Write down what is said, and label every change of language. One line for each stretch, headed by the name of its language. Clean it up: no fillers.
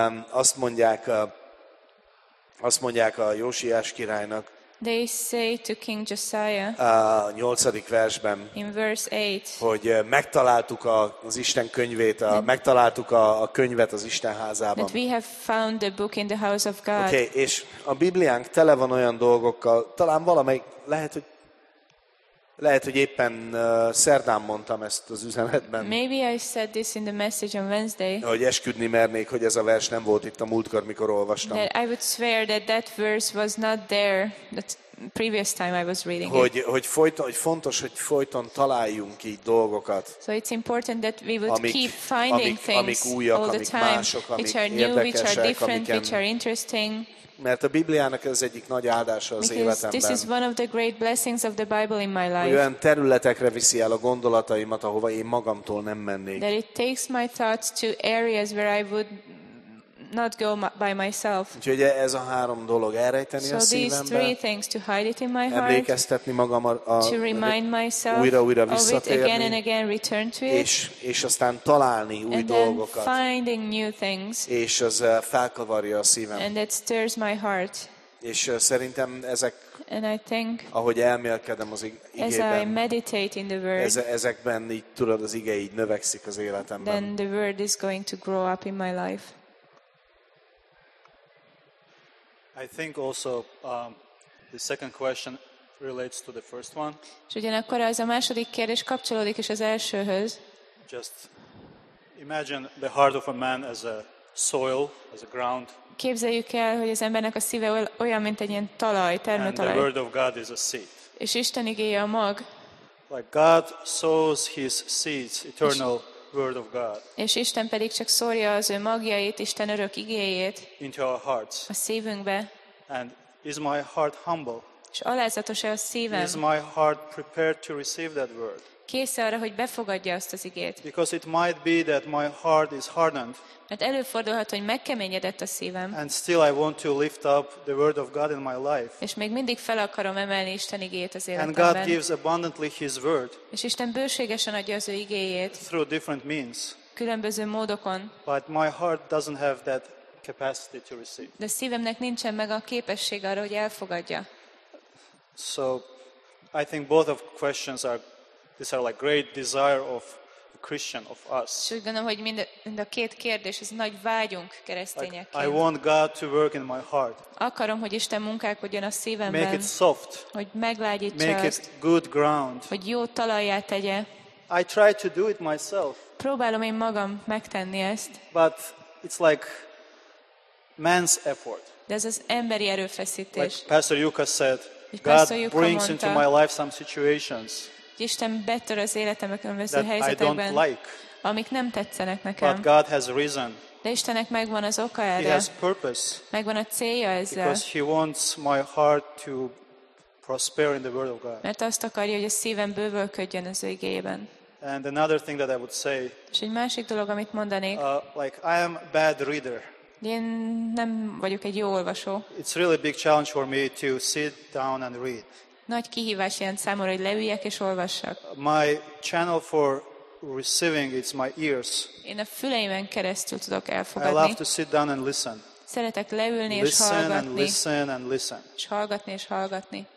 Hungarian: Azt mondják a Jósiás királynak.
English: They say to King Josiah.
Hungarian: A 8. versben.
English: In verse 8.
Hungarian: Hogy megtaláltuk az Isten könyvét, megtaláltuk a könyvet az Isten házában.
English: That we have found the book in the house of God.
Hungarian: Okay, és a Bibliánk tele van olyan dolgokkal, talán valamelyik, lehet, hogy éppen szerdán mondtam ezt az üzenetben.
English: Maybe I said this in the message on Wednesday.
Hungarian: Hogy esküdni mernék, hogy ez a vers nem volt itt a múltkor, mikor olvastam.
English: That I would swear that verse was not there the previous time I was reading
Hungarian: hogy,
English: it.
Hungarian: Hogy fontos, hogy folyton találjunk így dolgokat.
English: So it's important that we would keep finding
Hungarian: amik újak,
English: all the time,
Hungarian: mások,
English: which are new, which are different, which are interesting.
Hungarian: Mert a Bibliának ez egyik nagy áldása az
English: because
Hungarian: életemben.
English: This is one of the great blessings of the Bible in my life.
Hungarian: Olyan területekre viszi el a gondolataimat, ahova én magamtól nem mennék.
English: That it takes my thoughts to areas where I would not go by myself.
Hungarian: Úgyhogy ez a három dolog, elrejteni
English: so
Hungarian: a szívembe.
English: These three things, to hide it in my heart.
Hungarian: Emlékeztetni magam
English: to remind myself.
Hungarian: Újra visszatérni.
English: Of it again and again, return to it.
Hungarian: És aztán találni új
English: and
Hungarian: dolgokat.
English: Then finding new things.
Hungarian: És az felkavarja a szívem.
English: And it stirs my heart.
Hungarian: És szerintem ezek
English: and I think,
Hungarian: ahogy elmélkedem az igében,
English: as I meditate in the word,
Hungarian: ezekben így tudod az ige így növekszik az életemben.
English: Then the word is going to grow up in my life. I think also the second question relates to the first one.
Hungarian: Ugyanakkor ez a második kérdés kapcsolódik is az elsőhöz.
English: Just imagine the heart of a man as a soil, as a ground.
Hungarian: Képzeljük el, hogy az embernek a szíve olyan, mint egy ilyen talaj, termőtalaj.
English: And the word of God is a seed.
Hungarian: És Isten igéje a mag.
English: Like God sows his seeds, eternal word of God.
Hungarian: És Isten pedig csak szórja az ő magjait, Isten örök igéjét.
English: Into our hearts.
Hungarian: A szívünkbe.
English: And is my heart humble?
Hungarian: És alázatos-e a szívem?
English: Is my heart prepared to receive that word?
Hungarian: Kész-e arra, hogy befogadja azt az igét?
English: Because it might be that my heart is hardened.
Hungarian: Mert előfordulhat, hogy megkeményedett a szívem.
English: And still I want to lift up the word of God in my life.
Hungarian: És még mindig fel akarom emelni Isten igéjét az életemben.
English: And God gives abundantly his word.
Hungarian: És Isten bőségesen adja az ő igéjét.
English: Through different means.
Hungarian: Különböző módokon.
English: But my heart doesn't have that capacity to receive.
Hungarian: De szívemnek nincsen meg a képesség arra, hogy elfogadja.
English: So I think both of questions are these are like great desire of Christian of us.
Hungarian: És úgy gondolom, hogy mind a két kérdés, ez nagy vágyunk keresztényeként.
English: Like, I want God to work in my heart.
Hungarian: Akarom, hogy Isten munkálkodjon a szívemben.
English: Make it soft.
Hungarian: Hogy meglágyítsa.
English: Make it good ground.
Hungarian: Hogy jó talajjá tegye.
English: I try to do it myself.
Hungarian: Próbálom én magam megtenni ezt.
English: But it's like man's effort.
Hungarian: De ez az emberi erőfeszítés.
English: Like Pastor Yuka said, God brings into my life some situations.
Hungarian: Isten betör az életembe különböző helyzetekben,
English: like,
Hungarian: amik nem tetszenek nekem.
English: But God has reason.
Hungarian: De Istennek megvan az oka erre.
English: He has purpose.
Hungarian: Megvan a célja ezzel.
English: Because he wants my heart to prosper in the word of God.
Hungarian: Mert azt akarja, hogy a szívem bővölködjön az ő igéjében.
English: And another thing that I would say.
Hungarian: És egy másik dolog, amit mondanék.
English: Like I am bad reader.
Hungarian: Én nem vagyok egy jó olvasó.
English: It's really a big challenge for me to sit down and read.
Hungarian: Nagy kihívás ilyen számomra, hogy leüljek és olvassak.
English: My channel for receiving is my ears.
Hungarian: Én a füleimen keresztül tudok elfogadni.
English: I love to sit down and listen.
Hungarian: Szeretek leülni
English: listen
Hungarian: és hallgatni.
English: And listen and listen.
Hungarian: És hallgatni és hallgatni.